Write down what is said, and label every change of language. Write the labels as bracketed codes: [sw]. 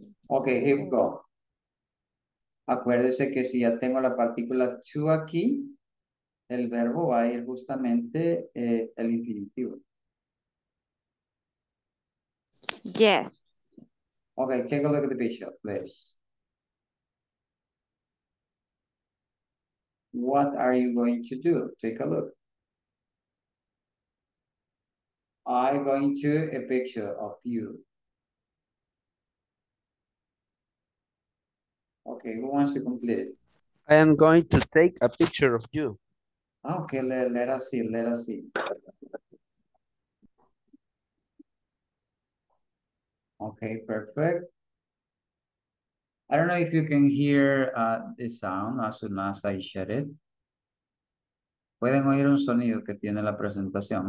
[en] Okay, here we go. [es] Acuérdese que si ya tengo la partícula to aquí, el verbo va a ir justamente el infinitivo. [en] Yes. Okay, take a look at the picture, please. What are you going to do? Take a look. I'm going to a picture of you. Okay, who wants to complete it? I am going to take a picture of you. Okay, let us see, let us see. Okay, perfect. I don't know if you can hear the sound as soon as I share it. [es] ¿Pueden oír un sonido que tiene la presentación?